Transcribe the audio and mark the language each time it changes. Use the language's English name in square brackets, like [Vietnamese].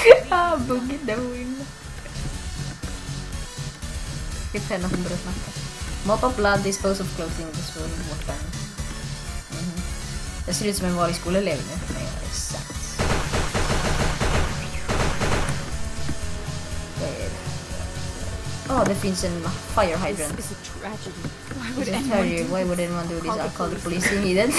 [Swedish] Ah, boogie doing. Det är pennan som börjar snacka. [English] Mop of blood, dispose of clothing, this room, what the hell. [Swedish] Jag ser ut som en vanlig skolelev nu. Nej, jag är sats. Oh, det finns en fire hydrant. [English] This is a tragedy. Why would anyone do this? I'll call the police immediately.